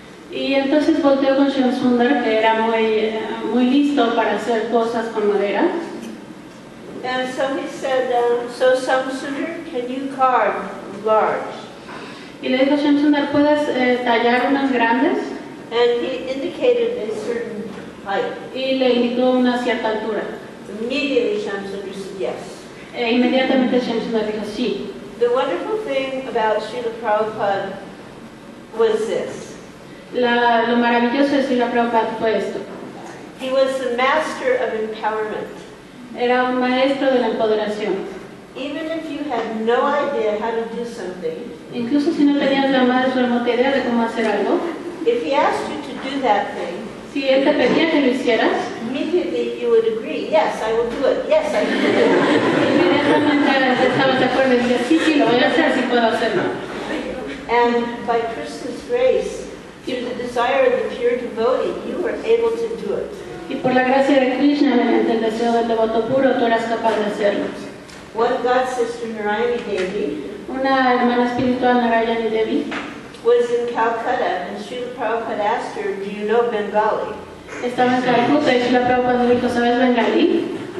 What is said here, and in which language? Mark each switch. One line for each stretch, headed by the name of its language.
Spanish: Y entonces volteó con Shiva Sundar, que era muy, muy listo para hacer cosas con madera.
English: And so he said, so Samsundar, can you carve large?
Spanish: Y le dijo, Shiva Sundar, ¿puedes tallar unas grandes?
English: And he indicated a certain height.
Spanish: Y le indicó una cierta altura.
English: Immediately Shiva Sundar said yes.
Spanish: E inmediatamente Shiva Sundar dijo sí.
English: The wonderful thing about Srila Prabhupada was this.
Spanish: Lo maravilloso de Srila Prabhupada fue esto.
English: He was the master of empowerment.
Spanish: Era un maestro de la empoderación.
English: Even if you had no idea how to do something,
Spanish: incluso si no tenías la más remota idea de cómo hacer algo,
English: if he asked you to do that thing,
Spanish: si él te pedía que lo hicieras,
English: immediately you would agree, yes, I will do it, yes, I will do it.
Spanish: Inmediatamente estabas de acuerdo y decías, sí, sí, lo voy a hacer, sí puedo hacerlo.
English: And by Krishna's grace, through the desire of the pure devotee, you were able to do it.
Spanish: Y por la gracia de Krishna, mediante el deseo del devoto puro, tú eras capaz de hacerlo.
English: One god sister, Narayani Devi,
Spanish: una hermana espiritual, Narayani Devi,
English: was in Calcutta, and Srila Prabhupada asked her, do you know Bengali?
Spanish: Estaba en Calcuta, y Srila Prabhupada dijo, ¿sabes Bengali?